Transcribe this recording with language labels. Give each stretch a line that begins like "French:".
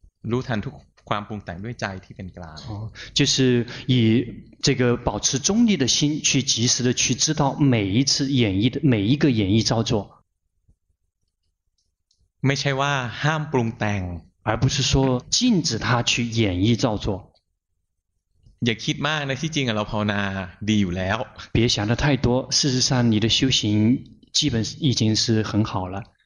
Thai: รู้ทันทุกความปรุงแต่งด้วยใจที่เป็นกลาง
Chinese: 就是以这个保持中立的心去及时的去知道每一次演绎的每一个演绎造作
Thai: ไม่ใช่ว่าห้ามปรุงแต่ง
Chinese: 而不是说禁止他去演绎造作
Thai: อย่าคิดมากนะที่จริงเราภาวนาดีอยู่แล้ว
Chinese: 别想的太多事实上你的修行基本已经是很好了